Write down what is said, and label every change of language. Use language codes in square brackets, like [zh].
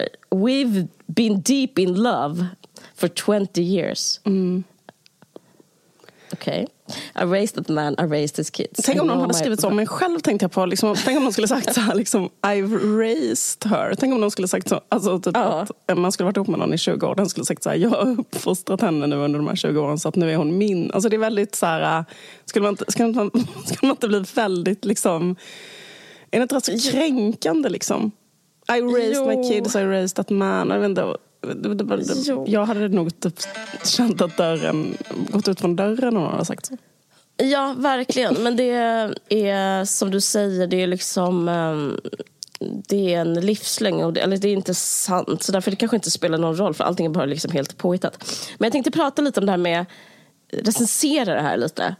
[en] We've been deep in love for 20 years. [sv] Okej. [en] Okay. I raised that man, I raised his kids. [sv] Tänk om någon hade skrivit så, men själv tänkte jag på liksom, tänk om någon skulle sagt så här liksom, [en] I've raised her. [sv] Tänk om någon skulle sagt så, alltså typ att man skulle varit ihop med någon i 20 år, den skulle sagt så här, jag har uppfostrat henne nu under de här 20 åren så att nu är hon min. Alltså det är väldigt så här, skulle man inte bli väldigt liksom, är det inte så kränkande liksom? [en] I raised my kids, I raised that man. [sv] Jag vet inte. Jag hade nog typ känt att dörren gått ut från dörren om man har sagt så. Ja, verkligen. Men det är som du säger, det är liksom det är en livslängd, eller det är inte sant. Så därför det kanske inte spelar någon roll, för allting är bara liksom helt påhittat. Men jag tänkte prata lite om det här med recensera det här lite.